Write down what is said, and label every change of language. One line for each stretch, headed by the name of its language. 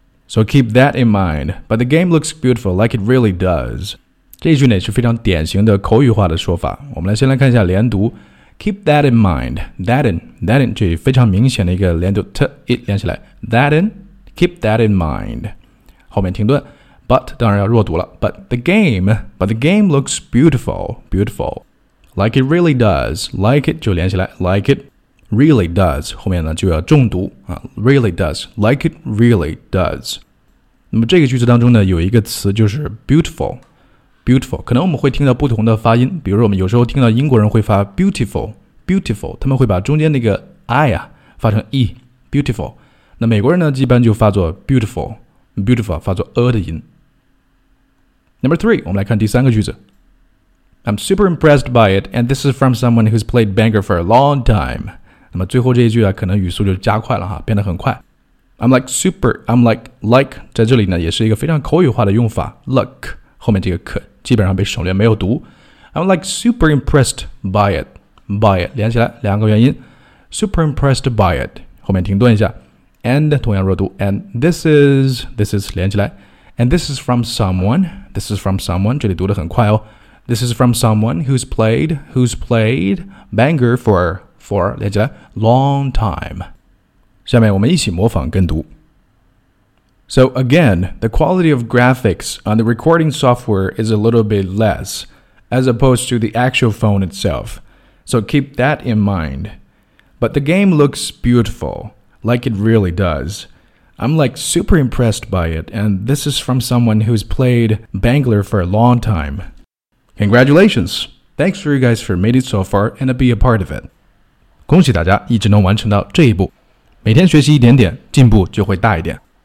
English: So keep that in mind, but the game looks beautiful like it really does.
Chinese: 这一句呢是非常典型的口语化的说法。我们来先来看一下连读。
English: Keep that in mind, that in, that in,
Chinese: 这非常明显的一个连读 t, it 连起来。
English: That in, keep that in mind.
Chinese: 后面停顿。
English: But
Chinese: 当然要弱读了
English: but the game looks beautiful, beautiful, like it really does, like it 就连起来 like it really does,
Chinese: 后面呢就要重读、
English: really does, like it really does.
Chinese: 那么这个句子当中呢有一个词就是 beautiful, beautiful, 可能我们会听到不同的发音，比如我们有时候听到英国人会发 beautiful, beautiful, 他们会把中间那个 I 啊发成 E, beautiful, 那美国人呢一般就发作 beautiful,Beautiful 发作 的音。
English: Number three,
Chinese: 我们来看第三个句子。
English: I'm super impressed by it, and this is from someone who's played banger for a long time.
Chinese: 那么最后这一句啊，可能语速就加快了哈，变得很快。
English: I'm like super, I'm like,
Chinese: 在这里呢，也是一个非常口语化的用法。 Look, 后面这个 k 基本上被省略没有读。
English: I'm like super impressed by it, by it,
Chinese: 连起来两个元音。
English: Super impressed by it,
Chinese: 后面停顿一下。
English: And
Chinese: 同样弱读
English: and this is
Chinese: 连起来
English: and this is from someone
Chinese: 这里读得很快哦
English: this is from someone who's played banger for 连起来 long time
Chinese: 下面我们一起模仿跟读
English: So again, the quality of graphics on the recording software is a little bit less as opposed to the actual phone itself So keep that in mind But the game looks beautifullike it really does. I'm like super impressed by it, and this is from someone who's played Bangler for a long time. Congratulations! Thanks for you guys for made it so far and to be a part of it.
Chinese: 恭喜大家一直能完成到这一步。每天学习一点点，进步就会大一点。